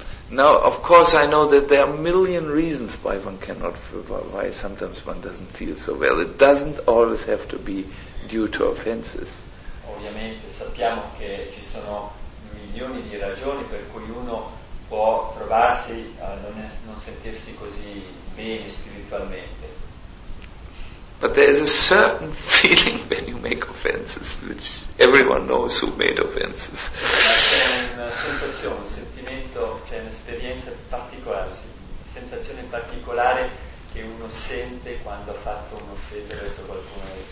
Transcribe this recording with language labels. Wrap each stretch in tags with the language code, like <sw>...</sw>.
<en>Now, of course, I know that there are a million reasons why sometimes one doesn't feel so well. It doesn't always have to be due to offenses.</en> <it>Ovviamente sappiamo che ci sono milioni di ragioni per cui uno può trovarsi a non sentirsi così bene spiritualmente.</it> <en>But there is a certain feeling when you make offenses, which everyone knows who made offenses.</en> <it>C'è una sensazione, un sentimento, c'è un'esperienza particolare, una sensazione particolare che uno sente quando ha fatto un'offesa verso qualcuno.</it>